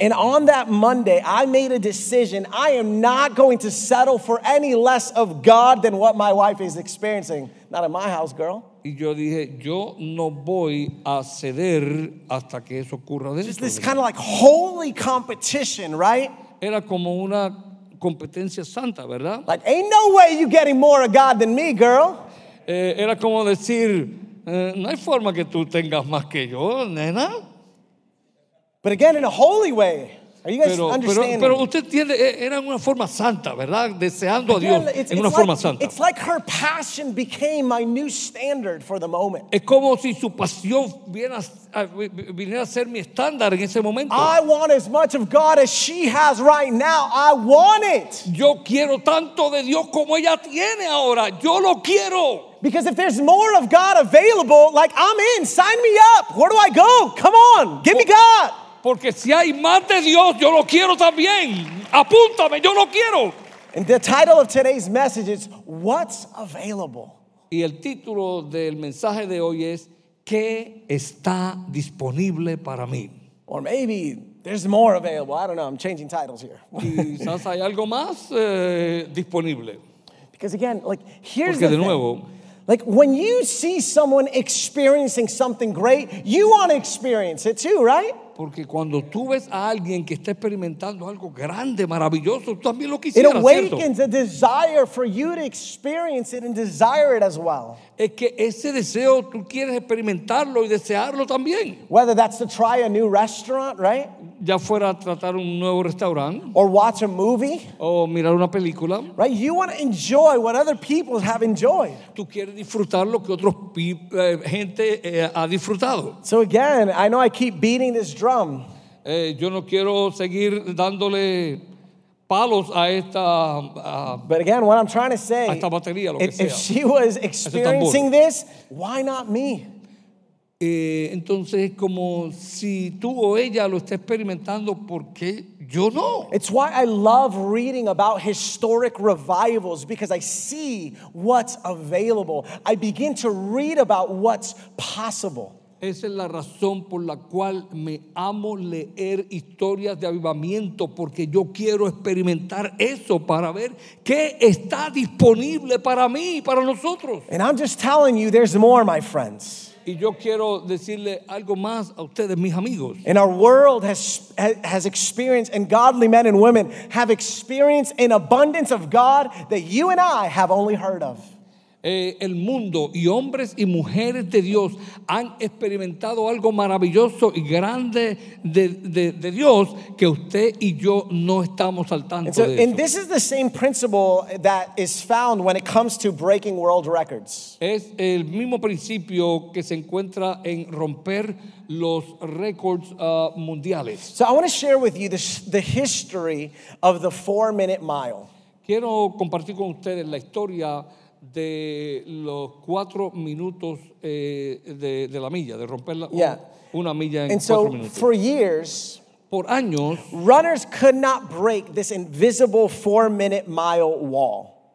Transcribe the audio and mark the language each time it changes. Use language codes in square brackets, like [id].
[en] And on that Monday, I made a decision. I am not going to settle for any less of God than what my wife is experiencing. Not in my house, girl. [es] Y yo dije, yo no voy a ceder hasta que eso ocurra dentro. [en] Just this kind of like holy competition, right? [es] Era como una competencia santa, ¿verdad? [en] Like, ain't no way you getting more of God than me, girl. [es] Era como decir, no hay forma que tú tengas más que yo, nena. [en] But again, in a holy way. Are you guys understanding? [es] Pero usted tiene, era una forma santa, ¿verdad? Deseando a Dios en una forma santa. [en] It's like her passion became my new standard for the moment. [es] Es como si su pasión viniera a ser mi estándar en ese momento. [en] I want as much of God as she has right now. I want it. [es] Yo quiero tanto de Dios como ella tiene ahora. Yo lo quiero. [en] Because if there's more of God available, like, I'm in. Sign me up. Where do I go? Come on. Give me God. [es] Porque si hay más de Dios, yo lo quiero también. Apúntame, yo lo quiero. [en] And the title of today's message is, What's Available? [es] Y el título del mensaje de hoy es, ¿Qué está disponible para mí? [en] Or maybe there's more available. I don't know, I'm changing titles here. [es] Quizás hay algo más disponible. [en] Because again, like, here's [es] Porque [en] the [es] de nuevo, [en] thing. Like, when you see someone experiencing something great, you want to experience it too, right? [es] Porque cuando tú ves a alguien que está experimentando algo grande, maravilloso, tú también lo quisieras, [en] ¿cierto? It awakens a desire for you to experience it and desire it as well. [es] Es que ese deseo, tú quieres experimentarlo y desearlo también. [en] Whether that's to try a new restaurant, right? [es] Ya fuera a tratar un nuevo restaurante. [en] Or watch a movie. [es] O mirar una película. [en] Right? You want to enjoy what other people have enjoyed. [es] Tú quieres disfrutar lo que otros gente ha disfrutado. [en] So again, I know I keep beating this drum. [es] Yo no quiero seguir dándole palos a esta [en] But again, what I'm trying to say, [es] a esta batería, lo [en] if, [es] que sea. [en] If she was experiencing this, why not me? [es] Entonces es como si tú o ella lo está experimentando, ¿por qué yo no? [en] It's why I love reading about historic revivals because I see what's available. I begin to read about what's possible. [es] Esa es la razón por la cual me amo leer historias de avivamiento, porque yo quiero experimentar eso para ver qué está disponible para mí y para nosotros. [en] And I'm just telling you, there's more, my friends. [es] Y yo quiero decirle algo más a ustedes, mis amigos. [en] And our world has experienced, and godly men and women have experienced an abundance of God that you and I have only heard of. [es] El mundo y hombres y mujeres de Dios han experimentado algo maravilloso y grande de Dios que usted y yo no estamos al tanto [en] and so, [es] de eso. [en] And this is the same principle that is found when it comes to breaking world records. [es] Es el mismo principio que se encuentra en romper los récords mundiales. [en] So I want to share with you the history of the 4-minute mile. [es] Quiero compartir con ustedes la historia de los 4 minutos de la milla, de romper la, [en] yeah. [es] una milla en [en] And [es] cuatro [en] so, [es] minutos. [en] And so, for years, [es] por años, [en] runners could not break this invisible 4-minute mile wall.